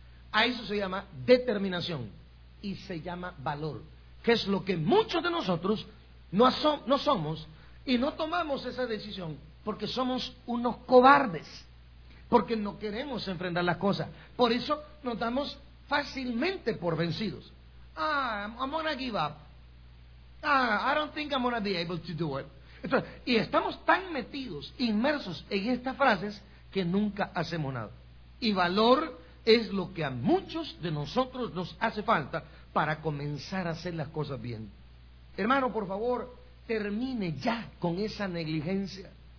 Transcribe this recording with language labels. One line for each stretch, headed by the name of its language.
Spanish: A eso se llama determinación y se llama valor, que es lo que muchos de nosotros no somos y no tomamos esa decisión porque somos unos cobardes, porque no queremos enfrentar las cosas. Por eso nos damos fácilmente por vencidos.
English: I'm gonna give up. I don't think I'm gonna be able to do it.
Spanish: Entonces, y estamos tan metidos, inmersos en estas frases que nunca hacemos nada. Y valor es lo que a muchos de nosotros nos hace falta para comenzar a hacer las cosas bien. Hermano, por favor, termine ya con esa negligencia.